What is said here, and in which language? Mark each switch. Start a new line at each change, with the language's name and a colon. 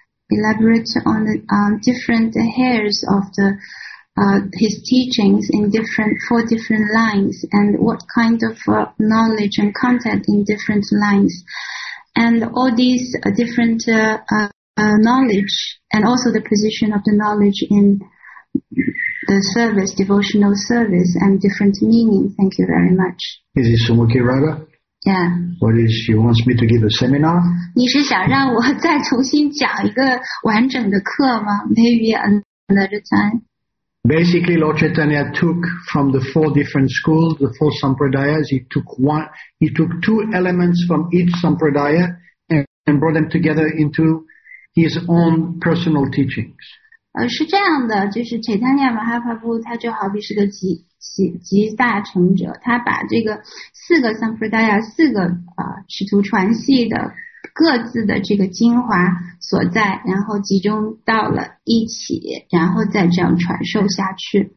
English: Elaborate on the different hairs of the his teachings in different four different lines, and what kind of knowledge and content in different lines, and all these different knowledge, and also the position of the knowledge in the service, devotional service, and different meaning. Thank you very much. Is this Sumukhi Raga? Yeah. What is, you want me to give a seminar?
Chinese: 你是想让我再重新讲一个完整的课吗?
English: Maybe another time. Basically, Lord Chaitanya took from the four different schools, the four sampradayas, he took two elements from each sampradaya and brought them together into his own personal teachings.
Chinese: 是这样的，就是 Chaitanya Mahaprabhu 他就好比是个集大成者，他把这个四个 Sampradaya 四个使徒传系的各自的这个精华所在，然后集中到了一起，然后再这样传授下去。